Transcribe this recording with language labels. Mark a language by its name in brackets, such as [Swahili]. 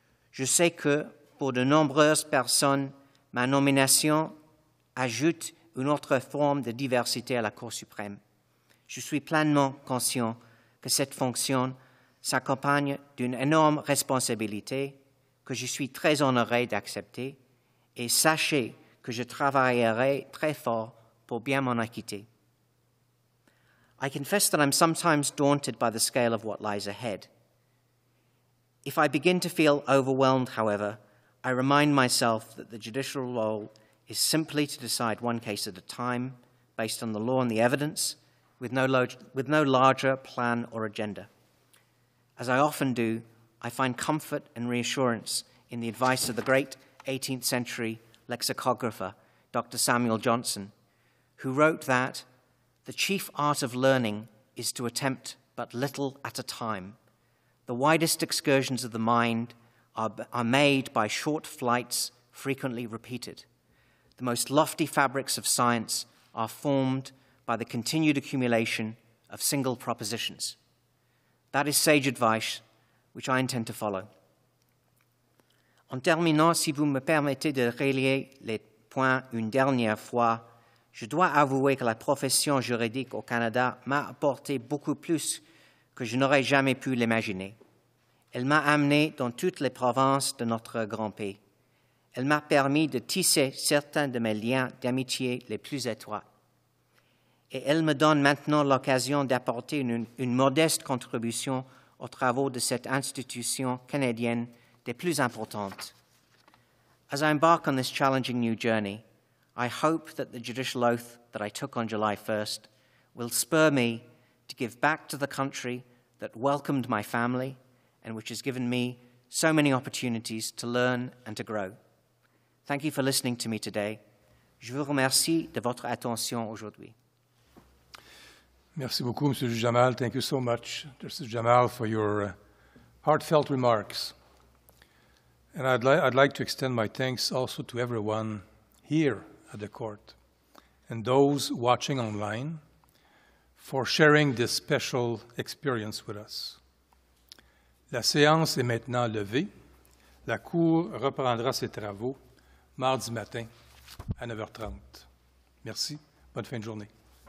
[French] Je sais que, pour de nombreuses personnes, ma nomination ajoute une autre forme de diversité à la Cour suprême. Je suis pleinement conscient que cette fonction s'accompagne d'une énorme responsabilité que je suis très honoré d'accepter, et sachez que je travaillerai très fort pour bien m'en acquitter. [English] I confess that I'm sometimes daunted by the scale of what lies ahead. If I begin to feel overwhelmed, however, I remind myself that the judicial role is simply to decide one case at a time, based on the law and the evidence, with no larger plan or agenda. As I often do, I find comfort and reassurance in the advice of the great 18th century lexicographer, Dr. Samuel Johnson, who wrote that the chief art of learning is to attempt but little at a time. The widest excursions of the mind are made by short flights frequently repeated. The most lofty fabrics of science are formed by the continued accumulation of single propositions. That is sage advice, which I intend to follow. [French] En terminant, si vous me permettez de relier les points une dernière fois, je dois avouer que la profession juridique au Canada m'a apporté beaucoup plus que je n'aurais jamais pu l'imaginer. Elle m'a amené dans toutes les provinces de notre grand pays. Elle m'a permis de tisser certains de mes liens d'amitié les plus étroits. Et elle me donne maintenant l'occasion d'apporter une modeste contribution aux travaux de cette institution canadienne des plus importantes. [English] As I embark on this challenging new journey, I hope that the judicial oath that I took on July 1st will spur me to give back to the country that welcomed my family and which has given me so many opportunities to learn and to grow. Thank you for listening to me today. [French] Je vous remercie de votre attention aujourd'hui. Merci beaucoup, Monsieur Jamal. [English] Thank you so much, Justice Jamal, for your heartfelt remarks. And I'd like to extend my thanks also to everyone here at the court and those watching online for sharing this special experience with us. [French] La séance est maintenant levée. La Cour reprendra ses travaux mardi matin à 9h30. Merci. Bonne fin de journée.